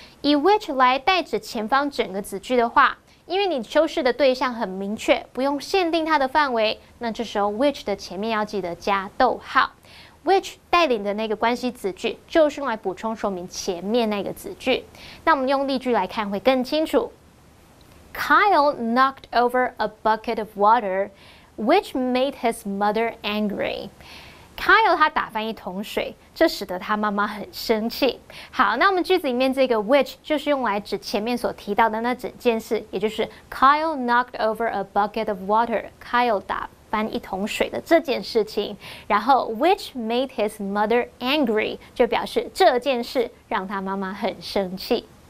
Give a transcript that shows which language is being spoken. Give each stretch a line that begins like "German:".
Chinese: 以 which 来代指前方整个子句的话，因为你修饰的对象很明确，不用限定它的范围，那这时候 which 的前面要记得加逗号。 which 带领的那个关系子句就是用来补充说明前面那个子句。那我们用例句来看会更清楚。
English: Kyle knocked over a bucket of water which made his mother angry.
Chinese: Kyle 他打翻一桶水，这使得他妈妈很生气。好，那我们句子里面这个 which 就是用来指前面所提到的那整件事，也就是
English: Kyle knocked over a bucket of water.
Chinese: Kyle 打翻一桶水的这件事情，然后
English: which made his mother angry
Chinese: 就表示这件事让他妈妈很生气。